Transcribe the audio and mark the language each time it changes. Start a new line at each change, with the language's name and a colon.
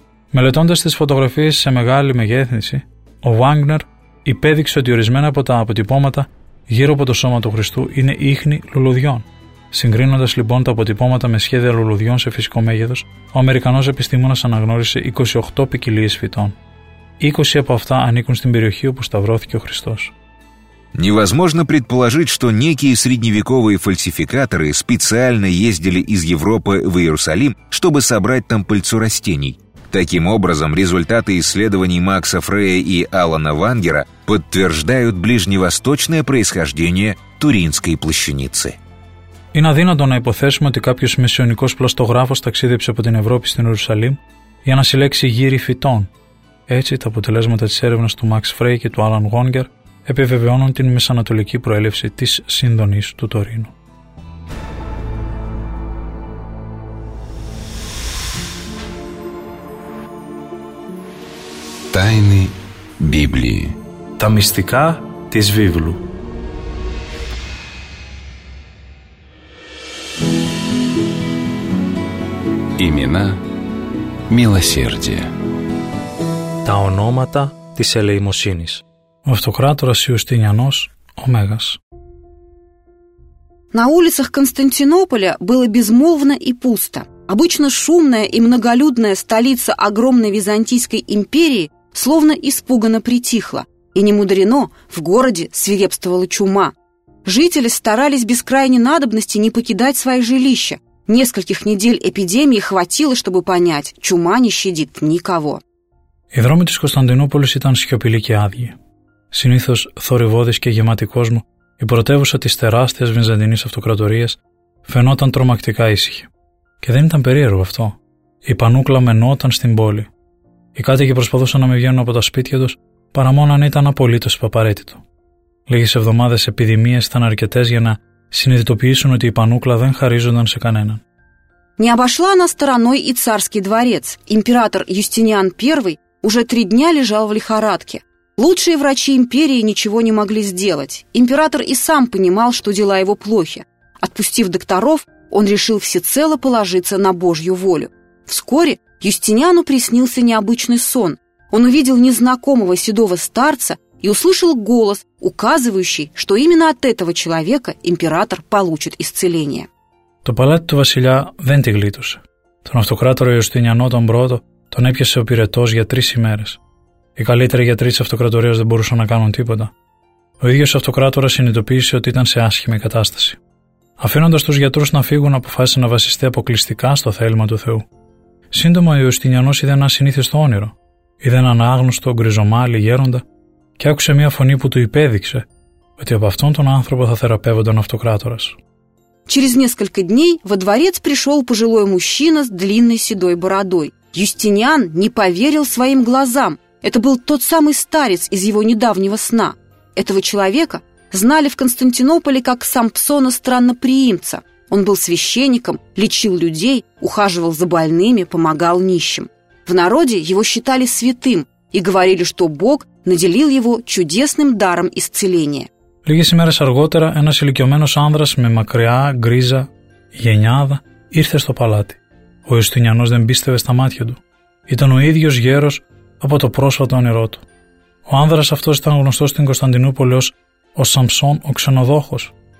Greek: Μελετώντας τις φωτογραφίες σε μεγάλη μεγέθυνση, ο Wagner υπέδειξε ότι ορισμένα από τα αποτυπώματα γύρω από το σώμα του Χριστού είναι ίχνη λουλουδιών. Συγκρίνοντας λοιπόν τα αποτυπώματα με σχέδια λουλουδιών σε φυσικό μέγεθος, ο Αμερικανός επιστήμονας αναγνώρισε 28 ποικιλίες φυτών. 20 από αυτά ανήκουν στην περιοχή όπου σταυρώθηκε ο Χριστός.
Russian: Невозможно предположить, что некие средневековые фальсификаторы специально ездили из Европы в Иерусалим, чтобы собрать там пыльцу растений. Таким образом, результаты исследований Макса Фрея и Алана Вангера подтверждают ближневосточное происхождение туринской плащаницы.
Greek: Είναι αδύνατο να υποθέσουμε ότι κάποιος μεσαιωνικός πλαστογράφος ταξίδεψε από την Ευρώπη στην Ιερουσαλήμ για να συλλέξει γύρι φυτών. Έτσι, τα αποτελέσματα της έρευνας του Max Frey και του Alan Wonger επιβεβαιώνουν την μεσανατολική προέλευση της σύνδονης του Τωρίνου. Τάινη Βίβλη. Τα μυστικά της Βίβλου.
Russian: Имена милосердия.
Greek: Τα ονόματα της ελεημοσύνης. Ο αυτοκράτορας Ιουστινιανός ο Μέγας.
Russian: На улицах Константинополя было безмолвно и пусто. Обычно шумная и многолюдная столица огромной Византийской империи словно испуганно притихла. И не мудрено, в городе свирепствовала чума. Жители старались без крайней надобности не покидать свои жилища. Нескольких недель эпидемии хватило, чтобы понять, чума не щадит никого.
Greek: Οι δρόμοι της Κωνσταντινούπολης ήταν σιωπηλοί και άδειοι. Συνήθως θορυβώδης και γεμάτη κόσμο, η πρωτεύουσα της τεράστιας Βυζαντινής Αυτοκρατορίας φαινόταν τρομακτικά ήσυχη. Και δεν ήταν περίεργο αυτό. Η πανούκλα μενόταν στην πόλη. Οι κάτοικοι προσπαθούσαν να μην βγαίνουν από τα σπίτια τους, παρά μόνο αν ήταν απολύτως απαραίτητο. Λίγες εβδομάδες επιδημίες ήταν αρκετές για να συνειδητοποιήσουν ότι η πανούκλα δεν χαρίζονταν σε κανέναν.
Russian: Не обошла она стороной и царский дворец. Император Юстиниан I уже три дня лежал в лихорадке. Лучшие врачи империи ничего не могли сделать. Император и сам понимал, что дела его плохи. Отпустив докторов, он решил всецело положиться на Божью волю. Вскоре Юстиниану приснился необычный сон. Он увидел незнакомого седого старца и услышал голос, указывающий, что именно от этого человека император получит исцеление.
Greek: Το παλάτι του βασιλιά δεν τη γλίτωσε. Τον αυτοκράτορα Ιουστινιανό τον πρώτο τον έπιασε ο πυρετός για τρεις ημέρες. Οι καλύτεροι γιατροί της αυτοκρατορίας δεν μπορούσαν να κάνουν τίποτα. Ο ίδιος ο αυτοκράτορας συνειδητοποίησε ότι ήταν σε άσχημη κατάσταση. Αφήνοντας τους γιατρούς να φύγουν, αποφάσισε να βασιστεί αποκλειστικά στο θέλημα του Θεού. Σύντομα ο Ιουστινιανός είδε ένα συνήθιστο όνειρο. Είδε έναν άγνωστο, γκριζομάλι γέροντα και άκουσε μια φωνή που του υπέδειξε ότι από αυτόν τον άνθρωπο θα θεραπεύονταν ο αυτοκράτορας.
Russian: Через несколько дней во дворец пришел пожилой мужчина с длинной седой бородой. Юстиниан не поверил своим глазам. Это был тот самый старец из его недавнего сна. Этого человека знали в Константинополе как Сампсона Странноприимца. Он был священником, лечил людей, ухаживал за больными, помогал нищим. В народе его считали святым и говорили, что Бог наделил его чудесным даром исцеления.
Greek: Λίγες ημέρες αργότερα, ένας ηλικιωμένος άνδρας με μακριά, γκρίζα, γενιάδα ήρθε στο παλάτι. Ο Ιουστινιανός δεν πίστευε στα μάτια του. Ήταν ο ίδιος γέρος από το πρόσφατο όνειρό του. Ο άνδρας αυτός ήταν γνωστός στην Κωνσταντινούπολη ως ο Σαμψόν ο Ξενοδόχος.